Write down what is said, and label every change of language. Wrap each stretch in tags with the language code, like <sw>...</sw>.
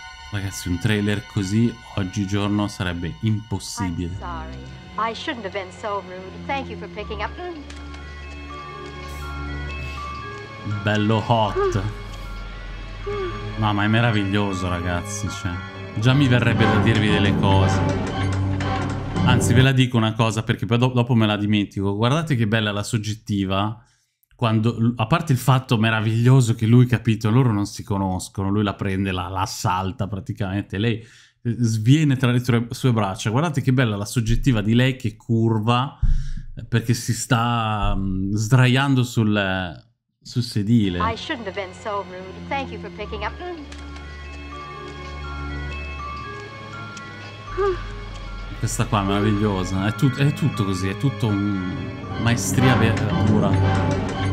<it>Ragazzi, un trailer così oggigiorno sarebbe impossibile.</it> <en>I shouldn't have been so rude. Thank you for picking up.</en> <it>Bello</it> <en>hot.</en> <it>Mamma, è meraviglioso, ragazzi. Cioè, già mi verrebbe da dirvi delle cose. Anzi, ve la dico una cosa, perché poi dopo me la dimentico. Guardate che bella la soggettiva. Quando, a parte il fatto meraviglioso che lui, capito, loro non si conoscono, lui la prende, la salta praticamente, lei sviene tra le sue braccia. Guardate che bella la soggettiva di lei che curva perché si sta sdraiando sul sedile.</it> <en>I shouldn't have been so rude. Thank you for picking up.</en> <it>Questa qua è meravigliosa, è tutto così, è tutto un maestria pura.</it>